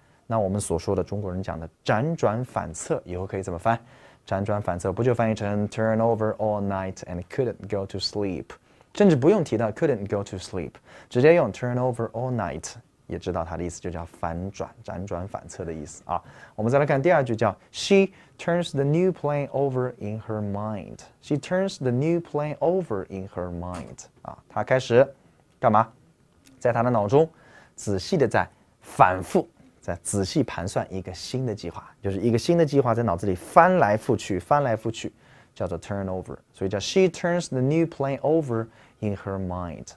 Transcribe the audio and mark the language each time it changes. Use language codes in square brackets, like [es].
[zh] 那我们所说的中国人讲的辗转反侧以后可以怎么翻？辗转反侧不就翻译成 [en] turn over all night and couldn't go to sleep， [zh] 甚至不用提到 [en] couldn't go to sleep， [zh] 直接用 [en] turn over all night [zh] 也知道它的意思，就叫反转，辗转反侧的意思啊。我们再来看第二句，叫 [en] She turns the new plan over in her mind. She turns the new plan over in her mind. [zh] 啊，她开始干嘛？在她的脑中仔细的在反复，在仔细盘算一个新的计划，就是一个新的计划在脑子里翻来覆去，翻来覆去，叫做 [en] turn over. [zh] 所以叫 [en] She turns the new plan over in her mind.